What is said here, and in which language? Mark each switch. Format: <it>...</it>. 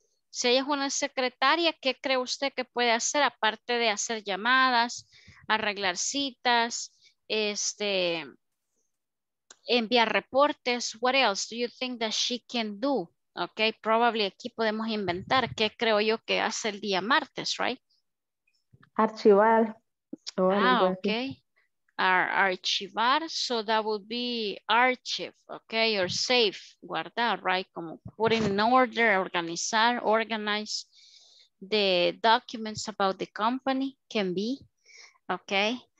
<es>Si ella es una secretaria, ¿qué cree usted que puede hacer aparte de hacer llamadas, arreglar citas, enviar reportes?</es> <en>What else do you think that she can do?</en> <es>Ok, probably aquí podemos inventar qué creo yo que hace el día martes,</es> <en>right?</en> <es>Archivar. Ah, ok. Archivar,</es> <en>so that would be archive, ok, or save,</en> <es>guardar,</es> <en>right? Como put in order, organizar, organize the documents about the company, can be, ok.</en>